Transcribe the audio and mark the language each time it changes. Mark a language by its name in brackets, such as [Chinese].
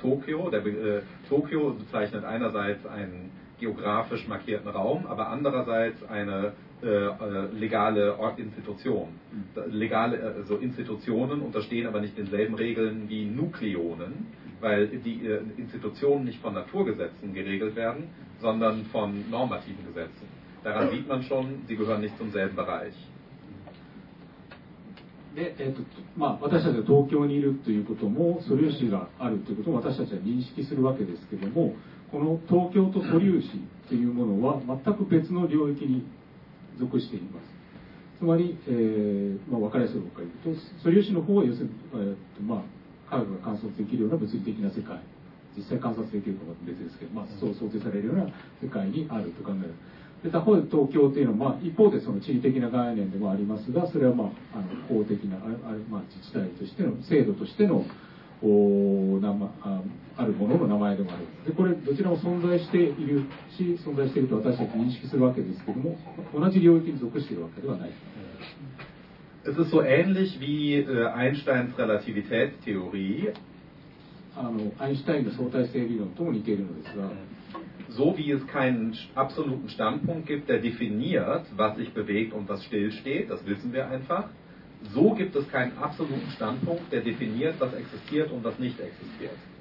[German] Tokio bezeichnet einerseits einen geografisch markierten Raum, aber andererseits eine legale Institution. Also Institutionen unterstehen aber nicht denselben Regeln wie Nukleonen, weil die Institutionen nicht von Naturgesetzen geregelt werden, sondern von normativen Gesetzen. Daran sieht man schon, sie gehören nicht zum selben Bereich. [Japanese] でまあ、私たちが東京にいるということも素粒子があるということを私たちは認識するわけですけども、この東京と素粒子というものは全く別の領域に属しています。つまり、まあ、分かりやすいことから言うと、素粒子の方は要するに、まあ、科学が観察できるような物理的な世界、実際観察できるかは別ですけど、まあ、そう想定されるような世界にあると考える。で、他方で東京というのは、まあ、一方でその地理的な概念でもありますが、それは、まあ、法的な、まあ、自治体としての制度としての名あるものの名前でもある。で、これどちらも存在しているし、存在していると私たち認識するわけですけども、同じ領域に属しているわけではない。 [German] Es ist so ähnlich wie Einsteins Relativitätstheorie. [Japanese] アインシュタインの相対性理論とも似ているのですが、 [German] So wie es keinen absoluten Standpunkt gibt, der definiert, was sich bewegt und was stillsteht, das wissen wir einfach, so gibt es keinen absoluten Standpunkt, der definiert, was existiert und was nicht existiert.